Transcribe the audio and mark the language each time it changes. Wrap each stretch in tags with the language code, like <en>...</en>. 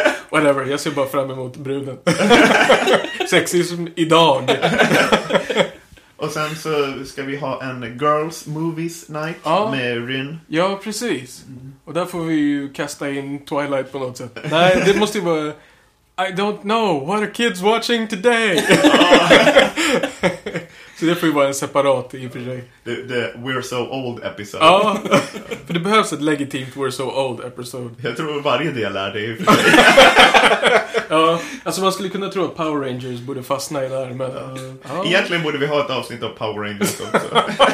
<en>Whatever,</en> <sv>jag ser bara fram emot bruden. Sexism idag. Och sen så ska vi ha en Girls Movies Night med Rin. Ja, precis. Och där får vi ju kasta in Twilight på något sätt. Nej, det måste ju vara...</sv> <en>I don't know, what are kids watching today?</en> <sv>Så det får ju vara en separat i för sig.</sv> <en>The We're So Old episode.</en> <sv>Ja, för det behövs ett legitimt We're So Old episode. Jag tror varje del är det i för sig. Ja, alltså man skulle kunna tro att Power Rangers borde fastna i där, men... Egentligen borde vi ha ett avsnitt av Power Rangers också.</sv>